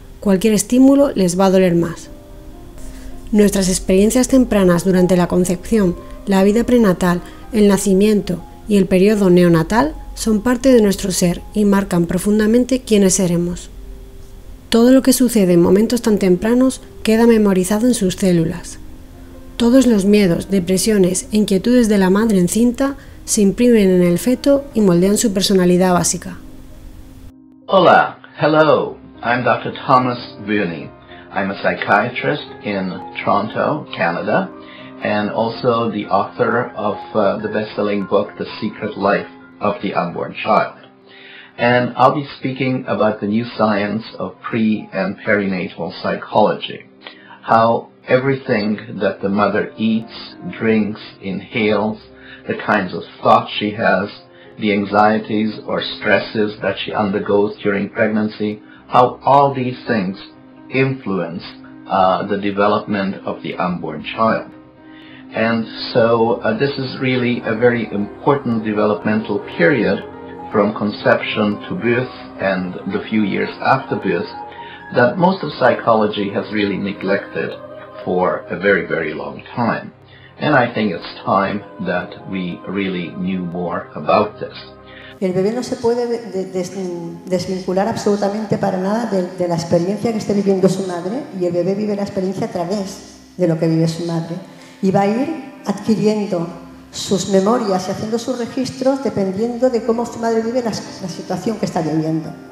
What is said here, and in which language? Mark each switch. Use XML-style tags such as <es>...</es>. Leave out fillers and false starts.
<es>Cualquier estímulo les va a doler más. Nuestras experiencias tempranas durante la concepción, la vida prenatal, el nacimiento y el periodo neonatal son parte de nuestro ser y marcan profundamente quiénes seremos. Todo lo que sucede en momentos tan tempranos queda memorizado en sus células. Todos los miedos, depresiones e inquietudes de la madre encinta se imprimen en el feto y moldean su personalidad básica.</es> <en>Hola, hello, I'm Dr. Thomas Vierney. I'm a psychiatrist in Toronto, Canada, and also the author of the best-selling book, The Secret Life of the Unborn Child. And I'll be speaking about the new science of pre- and perinatal psychology, how everything that the mother eats, drinks, inhales, the kinds of thoughts she has, the anxieties or stresses that she undergoes during pregnancy, how all these things influence the development of the unborn child. And so this is really a very important developmental period from conception to birth and the few years after birth that most of psychology has really neglected for a very, very long time. And I think it's time that we really knew more about this.</en> <es>El bebé no se puede desvincular absolutamente para nada de la experiencia que esté viviendo su madre, y el bebé vive la experiencia a través de lo que vive su madre. Y va a ir adquiriendo sus memorias y haciendo sus registros dependiendo de cómo su madre vive la situación que está viviendo.</es>